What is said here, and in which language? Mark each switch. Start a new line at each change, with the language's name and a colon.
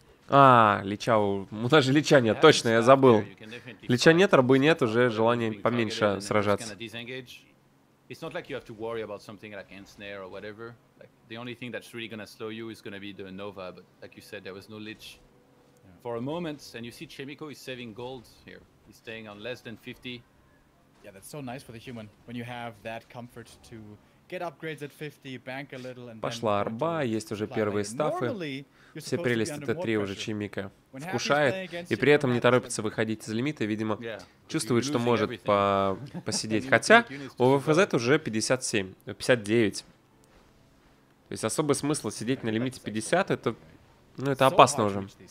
Russian: А, лича, у нас же лича нет, точно, я забыл. Лича нет, рабы нет, уже желание поменьше сражаться.
English: It's not like you have to worry about something like ensnare or whatever. Like the only thing that's really gonna slow you is gonna be the Nova, but like you said, there was no Lich for a moment. And you see Chemiko is saving gold here. He's staying on less than 50. Yeah, that's so nice for the human when you have that comfort to get upgrades at 50, bank a little, and
Russian: пошла арба, есть уже первые стафы. Все прелести Т3 уже Чимика вкушает, и при этом не торопится выходить из лимита, видимо, чувствует, что может посидеть. Хотя у ВФЗ уже 59. То есть особый смысл сидеть на лимите 50, это, ну, это опасно уже.